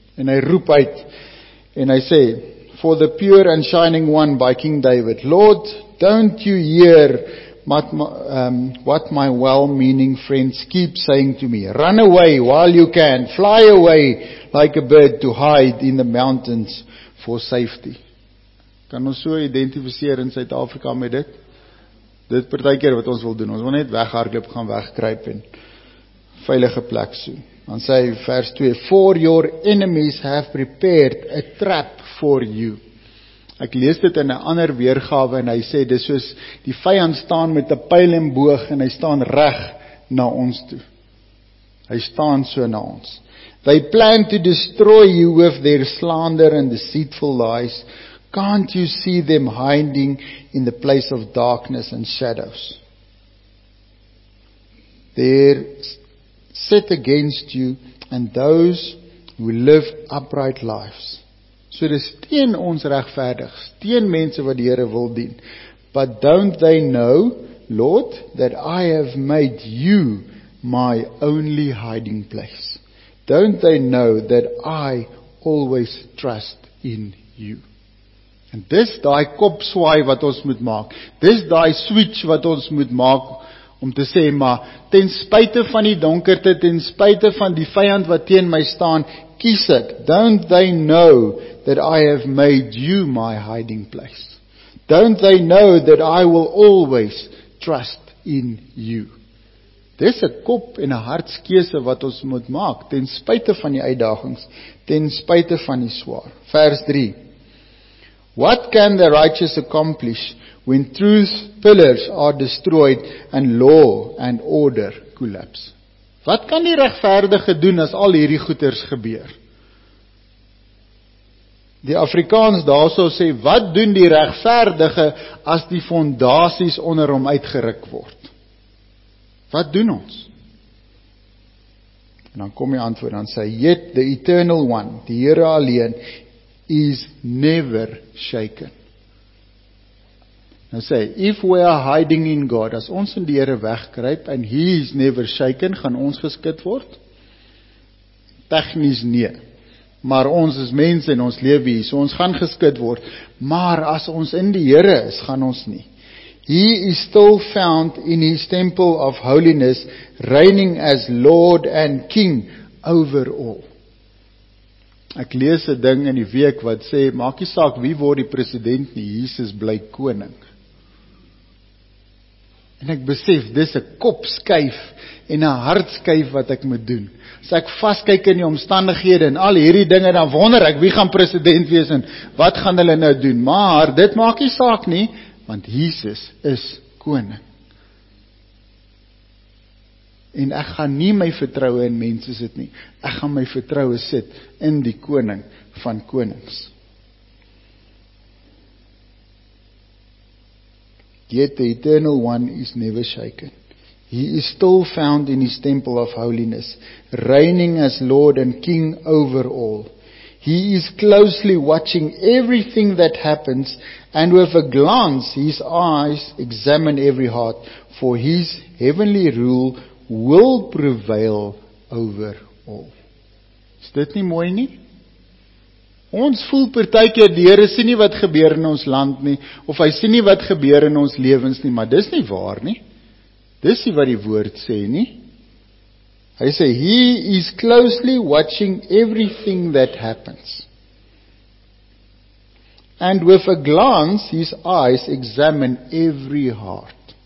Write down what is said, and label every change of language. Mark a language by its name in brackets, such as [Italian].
[Afrikaans] En hy roep uit, en hy sê, [English] For the pure and shining one by King David, Lord, don't you hear what my well-meaning friends keep saying to me, Run away while you can, fly away like a bird to hide in the mountains for safety. [Afrikaans] Kan ons so identifiseer in Suid-Afrika met dit? Dit partykeer wat ons wil doen, ons wil net weghardloop, gaan wegkruip en veilige plek so. Dan sê hy vers 2, [English] For your enemies have prepared a trap for you. [Afrikaans] Ek lees dit in 'n ander weergawe en hy sê, dis soos die vyand staan met 'n pyl en boog en hy staan reg na ons toe. Hy staan so na ons. [English] They plan to destroy you with their slander and deceitful lies. Can't you see them hiding in the place of darkness and shadows? They're set against you and those who live upright lives. [Afrikaans] So dis teen ons regverdig, teen mense wat die Here wil dien. [English] But don't they know, Lord, that I have made you my only hiding place? Don't they know that I always trust in you? [Afrikaans] En dis daai kopswaai wat ons moet maak. Dis daai switch wat ons moet maak om te sê, maar ten spyte van die donkerte, ten spyte van die vyand wat teen my staan, kies ek. [English] Don't they know that I have made you my hiding place? Don't they know that I will always trust in you? [Afrikaans] Dis 'n kop en 'n hartskeuse wat ons moet maak, ten spyte van die uitdagings, ten spyte van die swaar. Vers 3. [English] What can the righteous accomplish when truth pillars are destroyed and law and order collapse? [Afrikaans] Wat kan die regverdige doen as al hierdie goeters gebeur? Die Afrikaans daarso sê, wat doen die regverdige as die fondasies onder hom uitgeruk word? Wat doen ons? En dan kom die antwoord, dan sê, [English] Yet the eternal one, [Afrikaans] die Here alleen, [English] is never shaken. [Afrikaans] Nou sê, [English] if we are hiding in God, [Afrikaans] as ons in die Here wegkruip, [English] and he is never shaken, [Afrikaans] gaan ons geskud word? Technisch nie. Maar ons is mense en ons lewe hier, so ons gaan geskud word. Maar as ons in die Here is, gaan ons nie. [English] He is still found in his temple of holiness, reigning as Lord and King over all. [Afrikaans] Ek lees 'n ding in die week wat sê, maak nie saak wie word die president nie, Jesus bly koning. En ek besef, dis 'n kopskuif en 'n hartskuif wat ek moet doen. As ek vaskyk in die omstandighede en al hierdie dinge, dan wonder ek, wie gaan president wees en wat gaan hulle nou doen? Maar, dit maak nie saak nie, want Jesus is koning. En ek gaan nie my vertroue in mense sit nie. Ek gaan my vertroue sit in die koning van konings. [English] Yet the eternal one is never shaken. He is still found in his temple of holiness, reigning as Lord and King over all. He is closely watching everything that happens, and with a glance his eyes examine every heart, for his heavenly rule will prevail over all. [Afrikaans] Is dit nie mooi nie? Ons voel partykeer die Here sien nie wat gebeur in ons land nie, of hy sien nie wat gebeur in ons lewens nie, maar dis nie waar nie. Dis nie wat die woord sê nie. Hy sê, [English] He is closely watching everything that happens. And with a glance, his eyes examine every heart.